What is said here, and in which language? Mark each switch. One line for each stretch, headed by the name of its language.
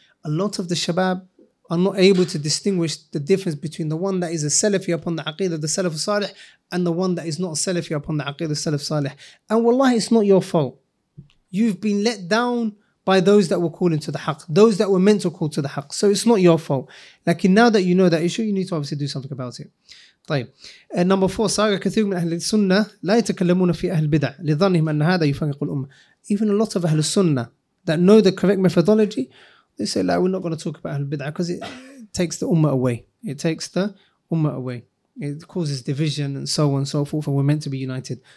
English: A lot of the Shabab are not able to distinguish the difference between the one that is a Salafi upon the Aqeedah of the Salaf Salih and the one that is not a Salafi upon the Aqeedah of the Salaf Salih. And wallahi, it's not your fault. You've been let down by those that were calling to the haq, those that were meant to call to the haq. So it's not your fault. Like, now that you know that issue, you need to obviously do something about it. طيب. And number four, Saga
Arabic: كثير من أهل السنة لا يتكلمون في أهل البدع لظنهم أن هذا يفرق الأمة.
English: Even a lot of أهل السنة that know the correct methodology, they say, like, we're not going to talk about أهل البدع because it takes the ummah away. It takes the ummah away. It causes division and so on and so forth, and we're meant to be united.